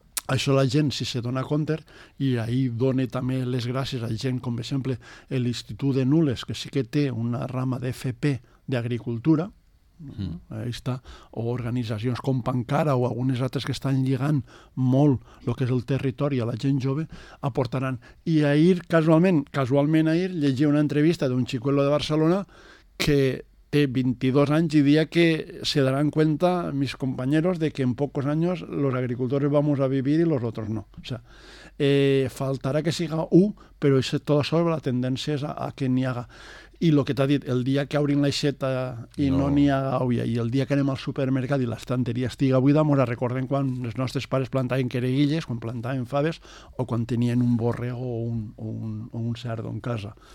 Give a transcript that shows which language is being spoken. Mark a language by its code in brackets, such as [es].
[ca] Això la gent si se dona compte, i ahí dona també les gràcies a gent com, per exemple, l'Institut de Nules, que sí que té una rama d'FP d'agricultura, ahí està, o organitzacions com Pancara o algunes altres que estan lligant molt el que és el territori a la gent jove, aportaran. I ahir, casualment ahir, llegia una entrevista d'un xicuelo de Barcelona que té 22 anys i dia que [es] se daran cuenta mis compañeros de que en pocos años los agricultores vamos a vivir y los otros no. [ca] O sea, faltarà que siga un, però això tot això, la tendència és a que n'hi haga. I el que t'ha dit, el dia que obrin l'aixeta i no n'hi haga avui, i el dia que anem al supermercat i l'estanteria estiga buida, mos recordem quan els nostres pares plantaven quereguilles, quan plantaven faves, o quan tenien un borrego o un cerdo en casa.